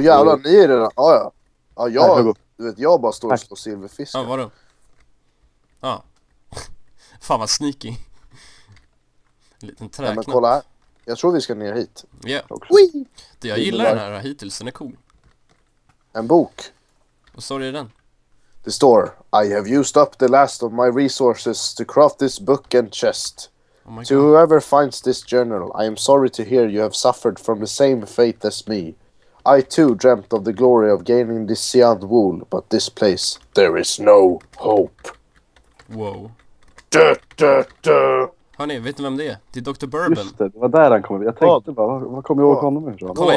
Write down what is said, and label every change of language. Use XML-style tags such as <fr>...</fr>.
<sv>Åh, jävlar, ni är redan. Ah, ja. Ah, jag, du vet, jag bara står och slår silverfisk. Ja, vadå? Ja. Fan, vad sneaky. Liten träknapp. Ja, men kolla här. Jag tror vi ska ner hit. Ja. Yeah. Jag gillar den här hittills. Den är cool. En bok. Vad står det i den? Det står,</sv> <en>I have used up the last of my resources to craft this book and chest. To whoever finds this journal, I am sorry to hear you have suffered from the same fate as me. I too dreamt of the glory of gaining this sealed wool, but this place, there is no hope. Wow.</en> <sv>Du. Hörrni, vet ni vem det är? Det är Dr. Bourbon. Just det, det var där han kom. Jag tänkte vad kommer jag ihåg honom ifrån?</sv>